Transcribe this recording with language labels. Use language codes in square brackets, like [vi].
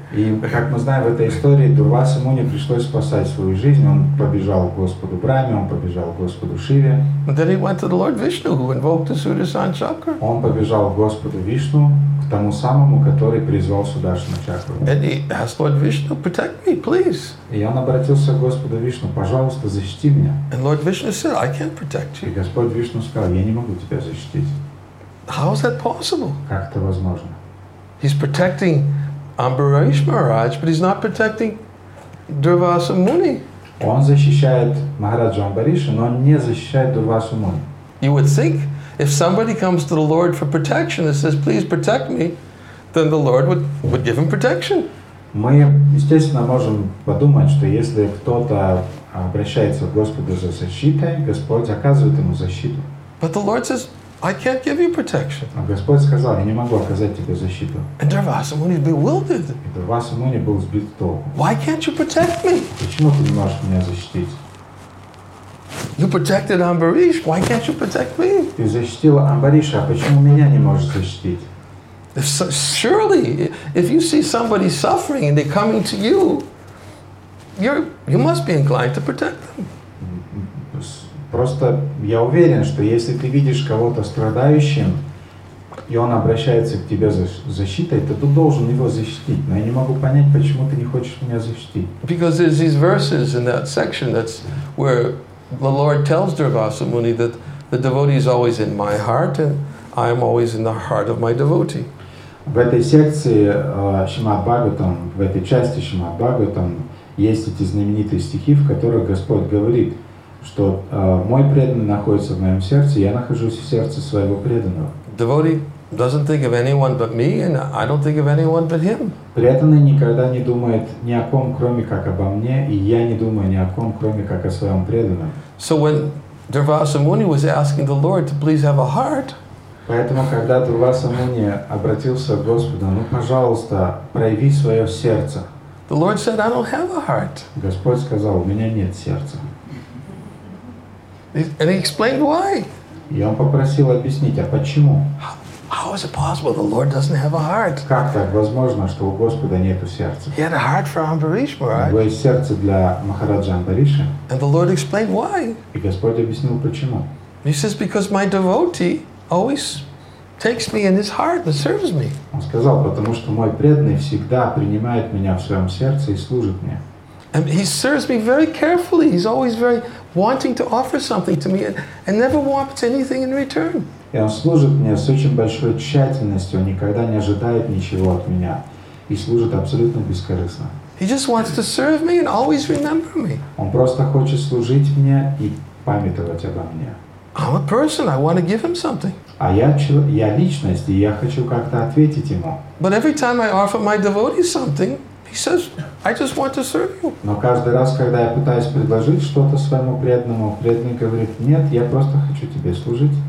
[ru] И как мы знаем в этой истории, Дурваса Муни пришлось спасать свою жизнь. Он побежал к Господу Браме, он побежал к Господу Шиве. [en] And then he went to the Lord Vishnu, who invoked the Sudarshan Chakra. [ru] Он побежал к Господу Вишну, тому самому, который призвал Сударшану Чакру. [en] And he asked Lord Vishnu, protect me, please. [ru] И он обратился к Господу Вишну, пожалуйста, защити меня. [en] And Lord Vishnu said, I can't protect you. [ru] И Господь Вишну сказал, я не могу тебя защитить. [en] How is that possible? [ru] Как это возможно? [en] He's protecting Ambarish Maharaj, but he's not protecting Durvasa Muni. [ru] Он защищает Махараджу Амбариша, но он не защищает Дурвасу Муни. [en] You would think, if somebody comes to the Lord for protection and says, please protect me, then the Lord would give him protection. [ru] Мы, естественно, можем подумать, что если кто-то обращается к Господу за защитой, Господь оказывает ему защиту. [en] But the Lord says, I can't give you protection. [ru] А Господь сказал, я не могу оказать тебе защиту. [en] And Дурвасса Муни bewildered. [ru] И Дурвасса Муни был сбит с толку. [en] Why can't you protect me? [ru] Почему ты не можешь меня защитить? [en] You protected Амбариш, why can't you protect me? [ru] Ты защитила Амбариша, а почему меня не можешь защитить? [en] If so, surely, if you see somebody suffering and they're coming to you, you must be inclined to protect them. [ru] Просто я уверен, что если ты видишь кого-то страдающим, и он обращается к тебе за защитой, то ты должен его защитить. Но я не могу понять, почему ты не хочешь меня защитить. [en] Because there's these verses in that section that's where the Lord tells Durvasa Muni that the devotee is always in my heart and I am always in the heart of my devotee. [ru] В этой секции Шримад-Бхагаватам, в этой части Шримад-Бхагаватам есть эти знаменитые стихи, в которых Господь говорит, что мой преданный находится в моем сердце, я нахожусь в сердце своего преданного. [en] Devotee doesn't think of anyone but me, and I don't think of anyone but him. [ru] Преданный никогда не думает ни о ком, кроме как обо мне, и я не думаю ни о ком, кроме как о своем преданном. [en] So when Durvasa Muni was asking the Lord to please have a heart, [ru] поэтому, когда Дурвасса Муни обратился к Господу, ну, пожалуйста, прояви свое сердце. [en] The Lord said, I don't have a heart. [ru] Господь сказал, у меня нет сердца. [en] And he explained why. [ru] И он попросил объяснить, а почему? [en] How is it possible the Lord doesn't have a heart? [ru] Как так возможно, что у Господа нету сердца? [en] He had a heart for Амбариш Махарадж. [ru] У него есть сердце для Махараджа Амбариша. [en] And the Lord explained why. [ru] И Господь объяснил, почему. [en] He says, because my devotee always takes me in his heart and serves me. [ru] Он сказал, потому что мой преданный всегда принимает меня в своем сердце и служит мне. [en] And he serves me very carefully. He's always very wanting to offer something to me and never wants anything in return. [ru] И он служит мне с очень большой тщательностью. Он никогда не ожидает ничего от меня и служит абсолютно бескорыстно. [en] He just wants to serve me and always remember me. [ru] Он просто хочет служить мне и памятовать обо мне. [en] I'm a person, I want to give him something. [ru] А я личность, и я хочу как-то ответить ему. [en] But every time I offer my devotee something, he says, I just want to serve you. [ru] Но каждый раз, когда я пытаюсь предложить что-то своему преданному, преданный говорит, нет, я просто хочу тебе служить.